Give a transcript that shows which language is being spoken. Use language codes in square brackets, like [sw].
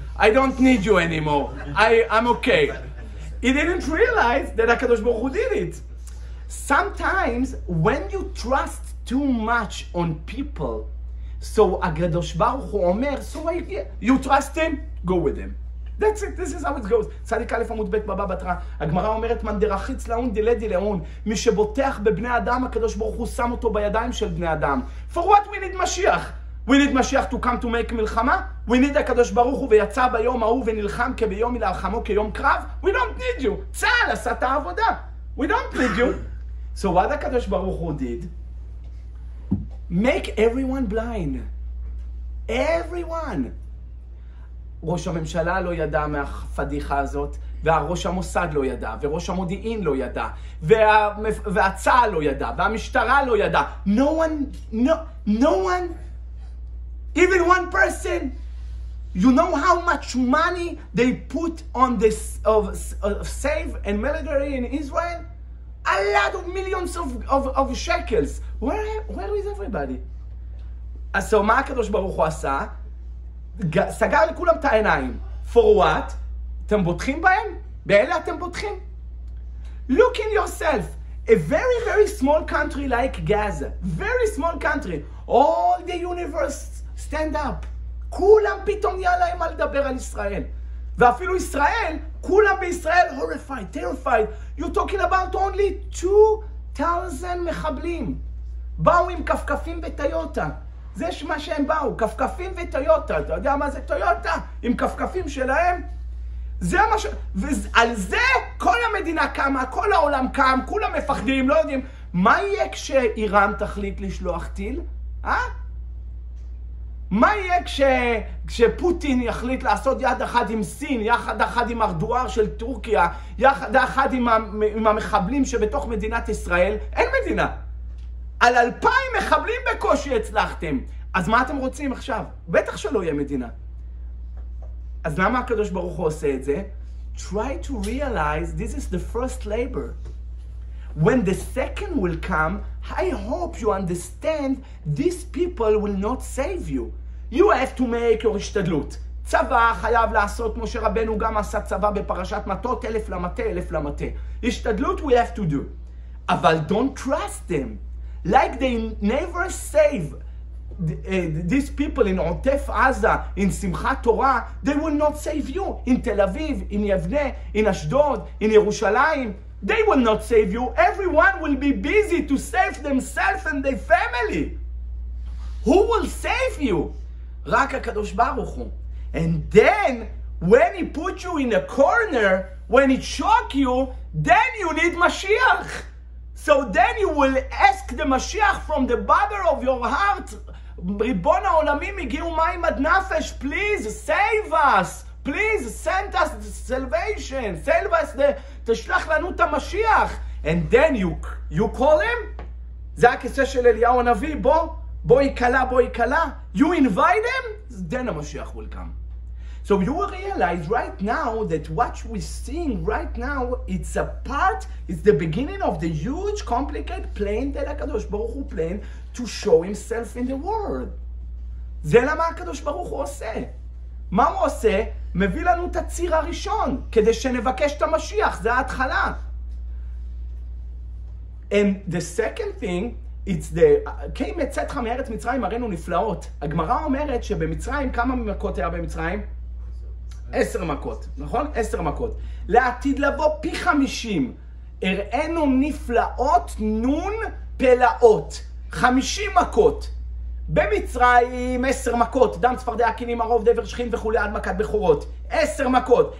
[en] I don't need you anymore. I'm okay. He didn't realize that HaKadosh Baruch Hu did it. Sometimes, when you trust too much on people, so HaKadosh Baruch Hu Omer, so you trust him, go with him. That's it, this is how it goes. [he] צדיק א' עמוד ב' בבא בתרא, הגמרא אומרת, מן דרחיץ לאון דילי דילאון, מי שבוטח בבני אדם, הקדוש ברוך הוא שם אותו בידיים של בני אדם. [en] For what we need משיח? We need משיח to come to make מלחמה? We need [he] הקדוש ברוך הוא ויצא ביום ההוא ונלחם כביום מלחמו כיום קרב? [en] We don't need you. [he] צהל עשה את העבודה. [en] We don't need you. So what הקדוש ברוך הוא did? Make everyone blind. Everyone. [he] ראש הממשלה לא ידע מהפדיחה הזאת, והראש המוסד לא ידע, וראש המודיעין לא ידע, והצה"ל לא ידע, והמשטרה לא ידע. [en] No one, even one person, you know how much money they put on this of save and military in Israel? A lot of millions of shekels. Where is everybody? So [he] מה הקדוש ברוך הוא עשה? סגר לכולם את העיניים. [en] For what? [he] אתם בוטחים בהם? באלה אתם בוטחים? [en] Look in yourself. A very, very small country like Gaza. Very small country. All the universe stand up. [he] כולם פתאום נהיה להם מה לדבר על ישראל. ואפילו ישראל, כולם בישראל [en] horrified, terrified. You're talking about only 2,000 מחבלים. [he] באו עם כפכפים בטיוטה. זה שמה שהם באו, כפכפים וטויוטה, אתה יודע מה זה טויוטה? עם כפכפים שלהם? זה מה ש... ועל זה כל המדינה קמה, כל העולם קם, כולם מפחדים, לא יודעים. מה יהיה כשאיראן תחליט לשלוח טיל? מה יהיה כשפוטין יחליט לעשות יד אחד עם סין, יחד אחד עם ארדואר של טורקיה, יחד אחד עם המחבלים שבתוך מדינת ישראל? אין מדינה. על 2,000 מחבלים בקושי הצלחתם. אז מה אתם רוצים עכשיו? בטח שלא יהיה מדינה. אז למה הקדוש ברוך הוא עושה את זה? [en] Try to realize this is the first labor. When the second will come, I hope you understand these people will not save you. You have to make your השתדלות. [he] צבא חייב לעשות, כמו שרבנו גם עשה צבא בפרשת מטות, אלף למטה, אלף למטה. [en] השתדלות we have to do. אבל don't trust them. Like they never save these people in Otef Aza, in Simchat Torah, they will not save you. In Tel Aviv, in Yevne, in Ashdod, in Yerushalayim, they will not save you. Everyone will be busy to save themselves and their family. Who will save you? Rak HaKadosh Baruch Hu. And then, when he put you in a corner, when he shock you, then you need Mashiach. So then you will ask the Mashiach from the bottom of your heart, Ribon HaOlamim, Igiu Mayim Ad Nafesh, please save us. Please send us the salvation. Save us, [he] תשלח לנו את המשיח. [en] And then you call him? [he] זה הכיסא של אליהו הנביא, בוא, [en] boy kala, you invite them, then a Mashiach will come. So you will realize right now that what we're seeing right now, it's a part, it's the beginning of the huge, complicated plan that HaKadosh Baruch Hu planned to show himself in the world. [he] זה למה הקדוש ברוך הוא עושה. מה הוא עושה? מביא לנו את הציר הראשון, כדי שנבקש את המשיח, זה ההתחלה. [en] And the second thing, it's the, [he] כאם יצאתך מארץ מצרים, הראינו נפלאות. הגמרא אומרת שבמצרים, כמה מכות היה במצרים? 10 מכות, נכון? 10 מכות. לעתיד לבוא פי 50, הראינו נפלאות נון פלאות. 50 מכות. במצרים 10 מכות, דם צפרדע כינים הרוב דבר שכין וכולי עד מכת בחורות, 10 מכות.